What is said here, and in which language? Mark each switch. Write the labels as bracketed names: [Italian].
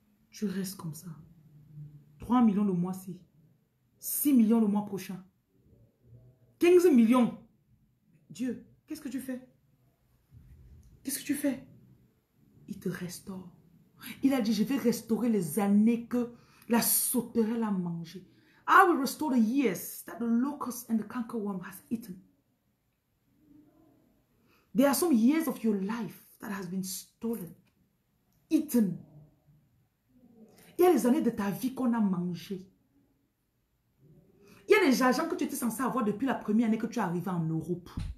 [French] Tu restes comme ça. 3 millions le mois-ci. 6 millions le mois prochain. 15 millions. Dieu, qu'est-ce que tu fais? Qu'est-ce que tu fais? Il te restaure. Il a dit, je vais restaurer les années que la sauterelle a mangé. [English] I will restore the years that the locust and the canker worm has eaten. There are some years of your life that has been stolen, eaten. [French] Il y a les années de ta vie qu'on a mangé. Il y a les argent que tu étais censé avoir depuis la première année que tu es arrivé en Europe.